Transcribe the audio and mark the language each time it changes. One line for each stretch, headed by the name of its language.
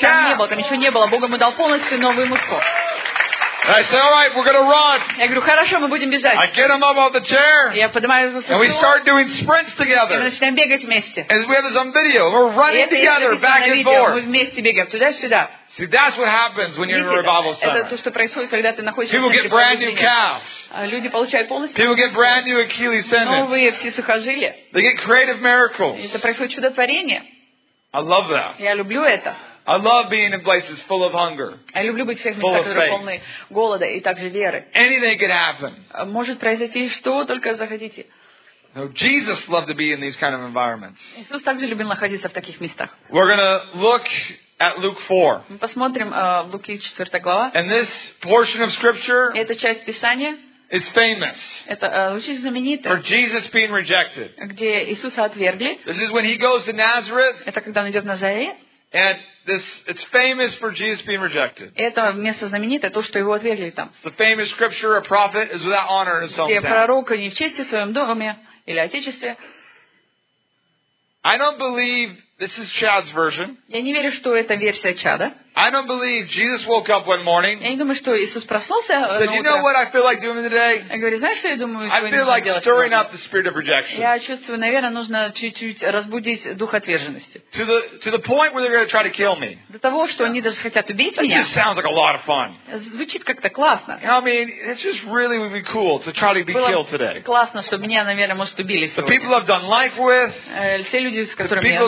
Russian: Там не было, там еще не было. Бог ему дал полностью новый мускул.
English: I say, all right, we're gonna run.
Russian: Я говорю, хорошо, мы будем бежать.
English: I get him up off the chair.
Russian: Я поднимаю его со стула.
English: And we start doing sprints together.
Russian: И мы начинаем бегать вместе.
English: And we have this on video. We're running together, back and forth.
Russian: Мы вместе бегаем туда-сюда.
English: See, that's what happens when you're in a revival center. People get brand new calves. People get brand new Achilles tendons. They get creative miracles. I love that. I love being in places full of hunger. Full of faith. Anything could happen. No, Jesus loved to be in these kind of environments. We're going to look at Luke 4.
Russian: Мы посмотрим в Луки 4 глава.
English: And this portion of scripture.
Russian: Эта часть Писания.
English: It's famous.
Russian: Это очень знаменитое.
English: For Jesus being rejected.
Russian: Где Иисуса отвергли.
English: This is when he goes to Nazareth.
Russian: Это когда он идет в Назарет.
English: And this, it's famous for Jesus being rejected.
Russian: Это место знаменитое, то, что его отвергли там.
English: It's the famous scripture, a prophet is without honor in his hometown.
Russian: Где пророк не в чести в своем доме или отечестве.
English: I don't believe this is Chad's version.
Russian: Я не верю, что это версия Чада.
English: I don't believe Jesus woke up one morning.
Russian: Я не думаю, что Иисус проснулся.
English: Said, you know what I feel like doing today?
Russian: Я говорю, знаешь, что я думаю, что
English: I feel like stirring up the spirit of rejection.
Russian: Я чувствую, наверное, нужно чуть-чуть разбудить дух отверженности.
English: To the point where they're going to try to kill me.
Russian: До того, что они даже хотят убить меня.
English: That just sounds like a lot of fun.
Russian: Звучит как-то классно.
English: I mean, it just really would be cool to try to be killed today.
Russian: Классно, чтобы меня, наверное, может убили сегодня.
English: The people I've done life with.
Russian: Все люди, с которыми я жил.